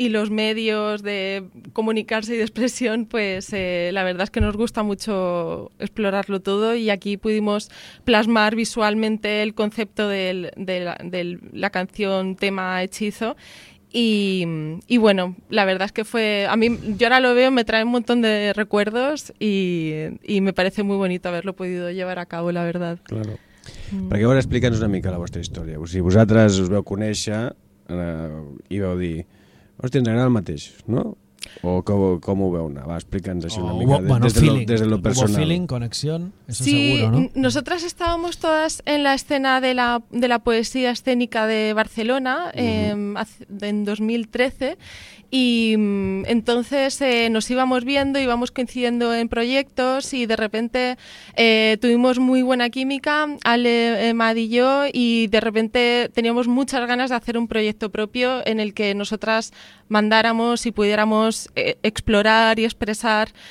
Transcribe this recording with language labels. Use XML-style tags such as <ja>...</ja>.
<es>medios de comunicarse y de expresión, pues la verdad es que nos gusta mucho explorarlo todo y aquí pudimos plasmar visualmente el concepto de la canción tema Hechizo. Y bueno, la verdad es que fue, a mí, yo ahora lo veo, me trae un montón de recuerdos y me parece muy bonito haberlo podido llevar a cabo, la verdad. Claro.</es> <ca>Perquè ara explica'ns una mica la vostra història. O sigui, vosaltres us veu conèixer i veu dir, hòstia, ens agrada el mateix, no? O com ho veu anar? Va, explica'ns això una mica des de lo personal.</ca> <es>Hubo feeling, conexión, eso seguro, ¿no? Sí, nosotras estábamos todas en la escena de la poesía escénica de Barcelona en 2013 y entonces nos íbamos viendo, íbamos coincidiendo en proyectos y de repente tuvimos muy buena química, Ale, Mad y yo, y de repente teníamos muchas ganas de hacer un proyecto propio en el que nosotras mandáramos y pudiéramos explorar y expresar</es>